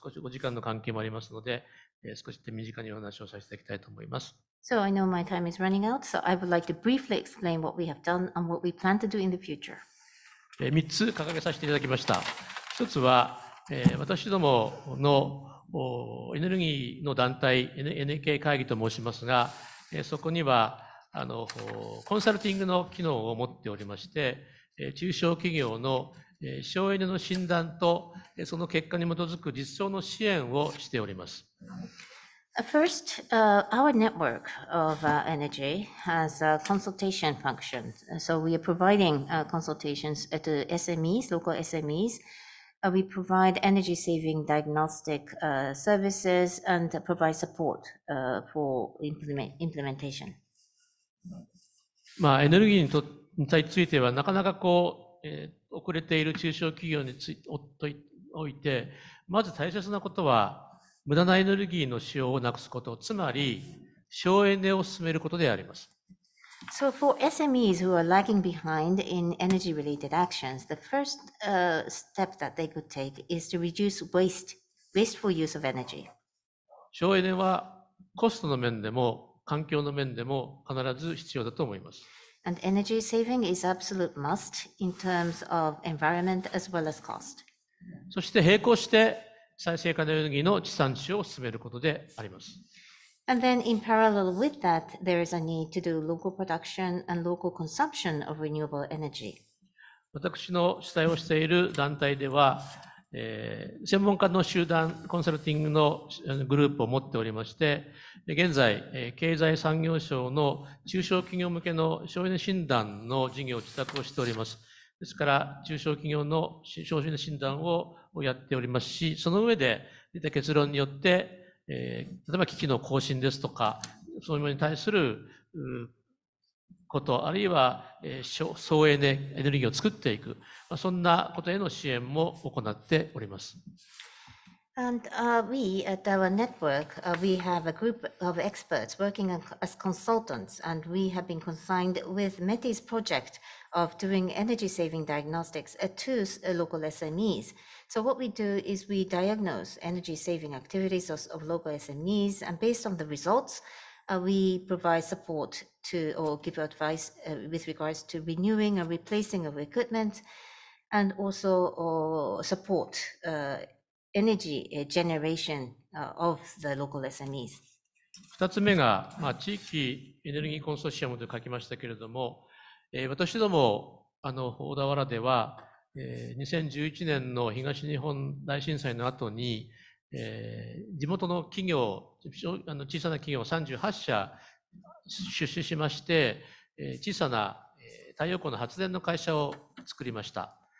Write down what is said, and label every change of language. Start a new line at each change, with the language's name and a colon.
Japanese: 少しお時間の関係もありますので、少し手短にお話をさせていただきたいと思います。
English: So I know my time is running out, so I would like to briefly explain what we have done and what we plan to do in the future.
Japanese: 3つ掲げさせていただきました。一つは、私どものエネルギーの団体 NK 会議と申しますが、そこにはコンサルティングの機能を持っておりまして、中小企業の省エネの診断とその結果に基づく実装の支援をしております。
English: First, our network of energy has a consultation function. So we are providing consultations to SMEs, local SMEs. We provide energy saving diagnostic services and provide support for implementation.
Japanese: まあ、エネルギーについてはなかなかこう、遅れている中小企業において、まず大切なことは無駄なエネルギーの使用をなくすこと、つまり省エネを進めることであります。
English: So for SMEs who are lagging behind in energy related actions, the first step that they could take is to reduce waste, wasteful use of energy.
Japanese: 省エネはコストの面でも環境の面でも必ず必要だと思います。
English: And energy saving is absolute must in terms of environment as well as cost.
Japanese: そして並行して再生可能エネルギーの地産地消を進めることであります。
English: And then in parallel with that, there is a need to do local production and local consumption of renewable energy.
Japanese: 私の主催をしている団体では、専門家の集団コンサルティングのグループを持っておりまして、現在、経済産業省の中小企業向けの省エネ診断の事業を委託をしております。ですから中小企業の省エネ診断をやっておりますし、その上で出た結論によって、例えば機器の更新ですとか、そういうものに対すること、あるいは省エネエネルギーを作っていく、そんなことへの支援も行っております。
English: And we at our network, we have a group of experts working as consultants, and we have been consigned with METI's project of doing energy saving diagnostics to local SMEs. So what we do is we diagnose energy saving activities of local SMEs, and based on the results, we provide support to or give advice with regards to renewing or replacing of equipment, and also support energy generation of the local SMEs.
Japanese: 2つ目が、まあ、地域エネルギーコンソーシアムと書きましたけれども、私ども小田原では、2011年の東日本大震災の後に、地元の企業小さな企業38社出資しまして、小さな太陽光の発電の会社を作りました。